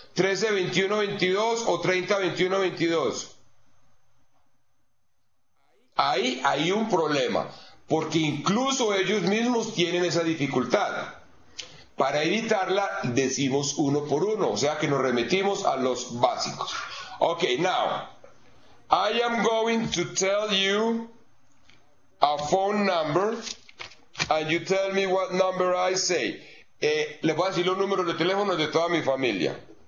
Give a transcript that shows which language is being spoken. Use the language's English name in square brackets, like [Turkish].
[Spanish] 13-21-22 o 30-21-22. Ahí hay un problema, porque incluso ellos mismos tienen esa dificultad. Para evitarla, decimos uno por uno, o sea que nos remitimos a los básicos. [English] Ok, now, I am going to tell you a phone number, and you tell me what number I say. [Spanish] Le voy a decir los números de teléfono de toda mi familia.